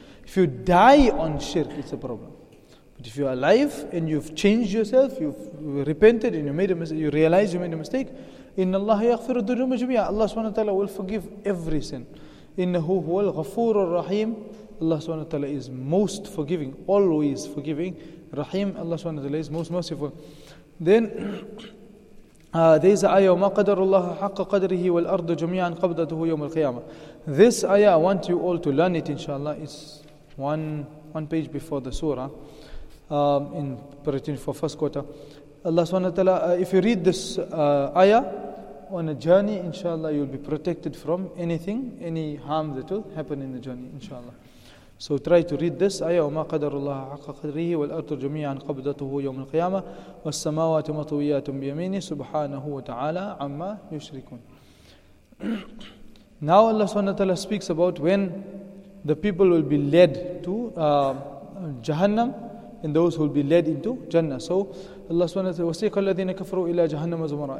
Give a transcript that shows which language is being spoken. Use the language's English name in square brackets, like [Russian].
[English] If you die on shirk, it's a problem. But if you're alive and you've changed yourself, you've repented and you realize you made a mistake, [Arabic] إِنَّ اللَّهَ يَغْفِرُ الدُّنُوبَ جَمِيعًا. [English] Allah subhanahu wa ta'ala will forgive every sin. [Arabic] إِنَّهُ هُوَ الْغَفُورُ الرَّحِيمُ. [English] Allah subhanahu wa ta'ala is most forgiving, always forgiving. Rahim, Allah subhanahu wa ta'ala is most merciful. Then, there is an ayah, [Arabic] مَا قَدَرُ اللَّهَ حَقَّ قَدْرِهِ وَالْأَرْضُ جَمِيعًا قَبْضَتُهُ يَوْمَ الْقِيَامَةِ. [English] This ayah, I want you all to learn it, inshallah. It's one page before the surah, in preparation for first quarter. Allah subhanahu wa ta'ala, if you read this ayah on a journey, inshallah, you'll be protected from anything, any harm that will happen in the journey, inshallah. So try to read this ayah, [Arabic] وَمَا قَدَرُ اللَّهَ حَقَّ قَدْرِهِ وَالْأَرْضُ جَمِيعًا قَبْضَتُهُ يَوْمَ الْقِيَامَةِ وَالسَّمَاوَاتُ مَطْوِيَّاتٌ بِيَمِينِ سُبْحَانَهُ وَتَعَالَىٰ عَمَّا يُشْرِكُونَ. [English] Now Allah subhanahu wa ta'ala speaks about when the people will be led to Jahannam and those who will be led into Jannah. So Allah subhanahu wa ta'ala, [Arabic] وَسِيقَ الَّذِينَ كَفَرُوا إِلَىٰ جَهَنَّمَ زُمَرًا.